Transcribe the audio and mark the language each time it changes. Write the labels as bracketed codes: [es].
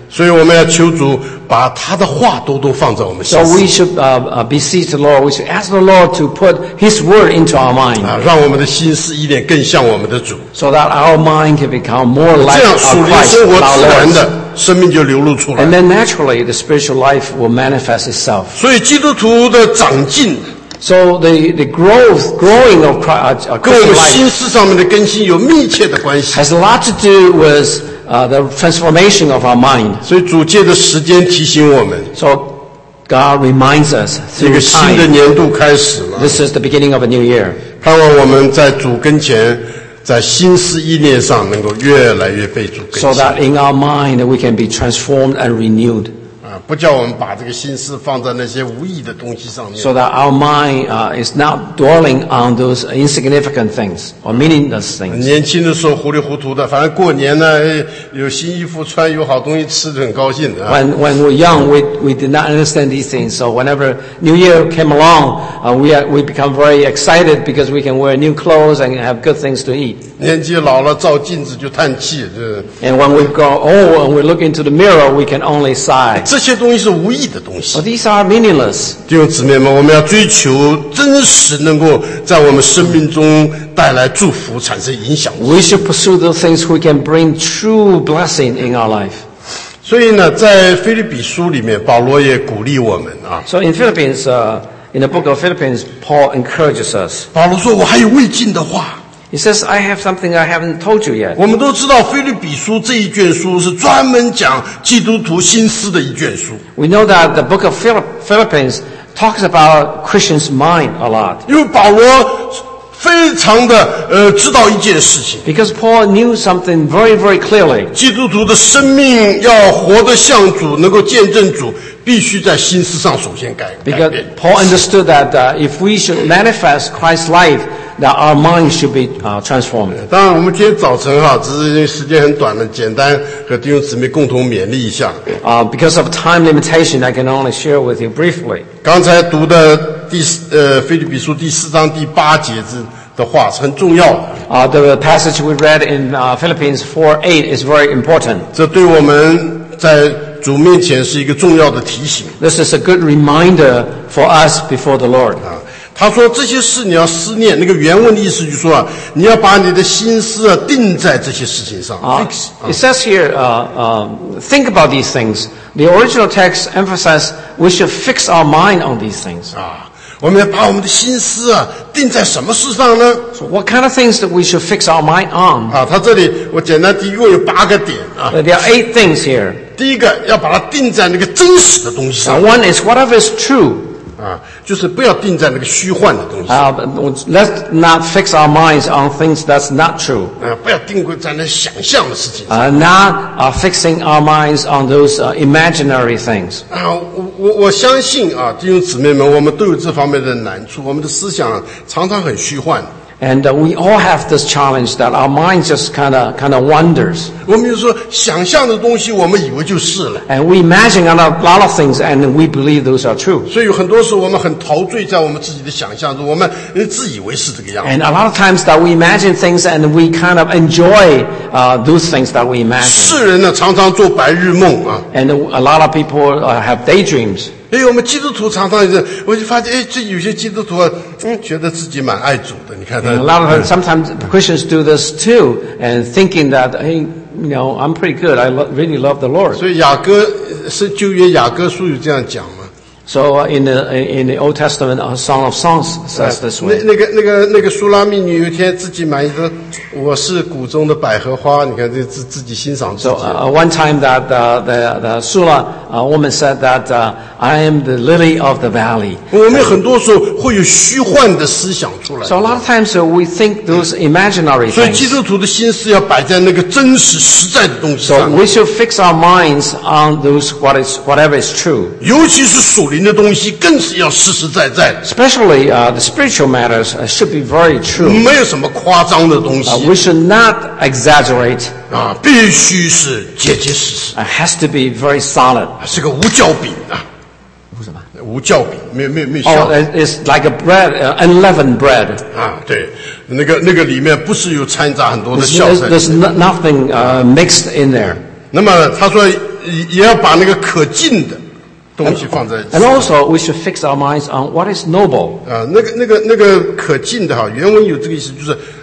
[zh] 所以我们要求主把他的话都放在我们心思。 [en] So we should beseech the Lord. We should ask the Lord to put His word into our mind. [zh] 让我们的心思一点更像我们的主。 [en] So that our mind can become more like our Christ. [zh] 这样属灵生活自然的生命就流露出来。 [en] And then naturally the spiritual life will manifest itself. [zh] 所以基督徒的长进。 [en] So the growing of Christ. [zh] 跟我们心思上面的更新有密切的关系。 [en] Has a lot to do with. The transformation of our mind. [zh] 所以主借着时间提醒我们。 [en] So God reminds us through time. [zh] 一个新的年度开始了。 [en] This is the beginning of a new year. [zh] 盼望我们在主跟前，在心思意念上能够越来越被主更新。 [en] So that in our mind we can be transformed and renewed. [zh] 不叫我们把这个心思放在那些无意的东西上面。 [en] So that our mind is not dwelling on those insignificant things or meaningless things. [zh] 年轻的时候糊里糊涂的，反正过年呢有新衣服穿，有好东西吃，很高兴的。 [en] When we're young, we did not understand these things. So whenever New Year came along, we become very excited because we can wear new clothes and have good things to eat. [zh] 年纪老了照镜子就叹气，对。 [en] And when we grow old and we look into the mirror, we can only sigh. [zh] 些东西是无意的东西。 [en] But these are meaningless. [zh] 弟兄姊妹们，我们要追求真实能够在我们生命中带来祝福，产生影响。 [en] We should pursue the things who can bring true blessing in our life. [zh] 所以呢，在腓立比书里面，保罗也鼓励我们啊。 [en] So in Philippians, in the book of Philippians, Paul encourages us. [zh] 保罗说：“我还有未尽的话。” [en] He says, "I have something I haven't told you yet." [zh] 我们都知道腓立比书这一卷书是专门讲基督徒心思的一卷书。 [en] We know that the book of Philippians talks about Christians' mind a lot. [zh] 因为保罗非常的知道一件事情。 [en] Because Paul knew something very, very clearly. [zh] 基督徒的生命要活得像主，能够见证主。必须在心思上首先改变。 [en] Because Paul understood that if we should manifest Christ's life, that our mind should be transformed. [zh] 当然，我们今天早晨哈，只是因为时间很短了，简单和弟兄姊妹共同勉励一下。 [en] Because of time limitation, I can only share with you briefly. [zh] 刚才读的腓立比书第四章第八节的话是很重要的。 [en] The passage we read in Philippians 4:8 is very important. [zh] 这对我们在主面前是一个重要的提醒。 [en] This is a good reminder for us before the Lord. [zh] 他说这些事你要思念，那个原文的意思就是说，你要把你的心思定在这些事情上。 [en] It says here, think about these things. The original text emphasizes we should fix our mind on these things. [zh] 我们要把我们的心思定在什么事上呢？ [en] So what kind of things that we should fix our mind on? [zh] 他这里我简单提，一共有八个点。 [en] There are eight things here. [zh] 第一个要把它定在那个真实的东西上。 [en] One is whatever is true. [zh] 就是不要定在那个虚幻的东西。 [en] Let's not fix our minds on things that's not true. [zh] 不要定在那想象的事情上。 [en] Not fixing our minds on those imaginary things. [zh] 我相信弟兄姊妹们，我们都有这方面的难处，我们的思想常常很虚幻。 [en] And we all have this challenge that our mind just kind of wanders. [zh] 我们就说想象的东西，我们以为就是了。 [en] And we imagine a lot of things, and we believe those are true. [zh] 所以有很多时候我们很陶醉在我们自己的想象中，我们自以为是这个样子。 [en] And a lot of times that we imagine things, and we kind of enjoy those things that we imagine. [zh] 世人呢常常做白日梦啊。 [en] And a lot of people have daydreams. [zh] 哎，我们基督徒常常是，我就发现，哎，这有些基督徒觉得自己蛮爱主的。你看他 [en] ，a lot of times, sometimes Christians do this too, and thinking that, hey, you know, I'm pretty good. I really love the Lord. [zh] 所以雅各是旧约雅各书有这样讲吗 [en] ？So in the Old Testament, a Song of Songs says this way. [zh] 那个苏拉密女有一天自己满意的，我是谷中的百合花。你看这自己欣赏自己。 [en] So one time that the Sula woman said that. I am the lily of the valley. [zh] 我们很多时候会有虚幻的思想出来。 [en] So a lot of times we think those imaginary things. [zh] 所以基督徒的心思要摆在那个真实实在的东西上。 [en] So we should fix our minds on those whatever is true. [zh] 尤其是属灵的东西更是要实实在在。 [en] Especially the spiritual matters should be very true. [zh] 没有什么夸张的东西。 [en] We should not exaggerate. [zh] 必须是结结实实。 [en] It has to be very solid. [zh] 是个无酵饼啊。无酵饼，没有。 [en] It's like a bread, unleavened bread. [zh] 对，那个里面不是有掺杂很多的酵素。 [en] There's nothing mixed in there. [zh] 那么他说，也要把那个可敬的东西放在。 [en] And also, we should fix our minds on what is noble. [zh] 那个可敬的哈，原文有这个意思，就是。